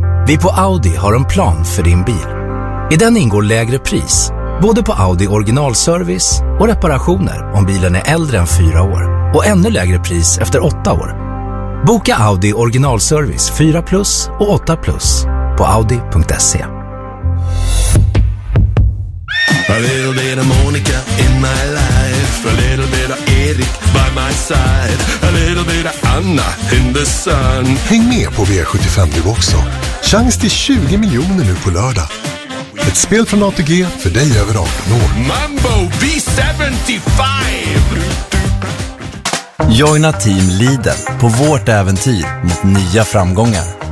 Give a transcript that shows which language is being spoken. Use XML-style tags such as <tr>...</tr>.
<sv>Vi på Audi har en plan för din bil. I den ingår lägre pris. Både på Audi originalservice och reparationer om bilen är äldre än 4 år. Och ännu lägre pris efter 8 år. Boka Audi originalservice 4 plus och 8 plus på audi.se.</sv> <en>A little bit of Monica in my life. A little bit of Erik by my side. A little bit of Anna in the sun.</en> <sv>Häng med på V75 du också. Chans till 20 miljoner nu på lördag. Ett spel från ATG för dig över 18 år. Mambo V75! Joina Team Lidl på vårt äventyr mot nya framgångar.</sv>